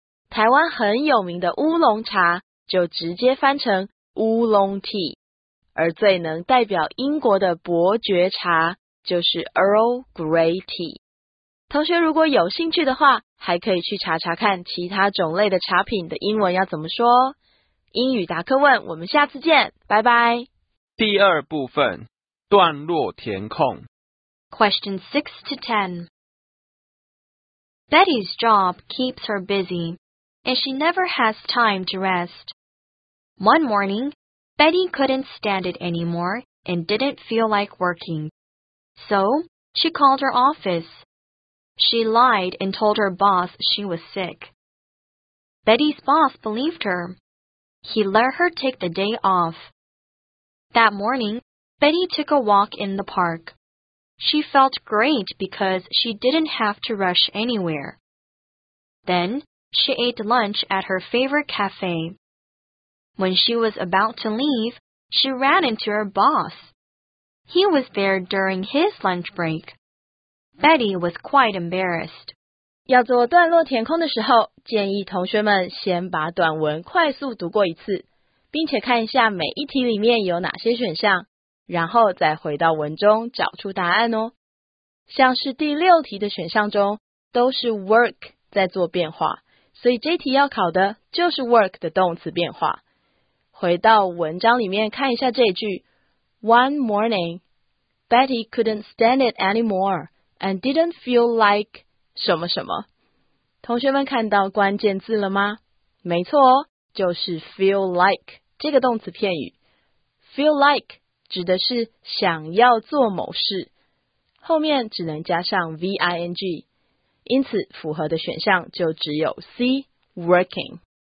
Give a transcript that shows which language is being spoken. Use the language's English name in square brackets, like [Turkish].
[Chinese] 台湾很有名的乌龙茶就直接翻成 Oolong Tea， 而最能代表英国的伯爵茶就是 Earl Grey Tea。同学如果有兴趣的话，还可以去查查看其他种类的茶品的英文要怎么说。英语答客问，我们下次见，拜拜。第二部分，段落填空。 [English] Question 6-10 Betty's job keeps her busyAnd she never has time to rest. One morning, Betty couldn't stand it anymore and didn't feel like working. So, she called her office. She lied and told her boss she was sick. Betty's boss believed her. He let her take the day off. That morning, Betty took a walk in the park. She felt great because she didn't have to rush anywhere. Then,She ate lunch at her favorite cafe. When she was about to leave, she ran into her boss. He was there during his lunch break. Betty was quite embarrassed. [Chinese] 要做段落填空的时候，建议同学们先把短文快速读过一次，并且看一下每一题里面有哪些选项，然后再回到文中找出答案哦。像是第六题的选项中，都是 work 在做变化。所以这题要考的就是 work 的动词变化。回到文章里面看一下这一句 [English] One morning, Betty couldn't stand it anymore and didn't feel like [Chinese] 什么什么。同学们看到关键字了吗？没错哦，就是 feel like 这个动词片语。 feel like 指的是想要做某事，后面只能加上 V-I-N-G，因此符合的选项就只有 C, working。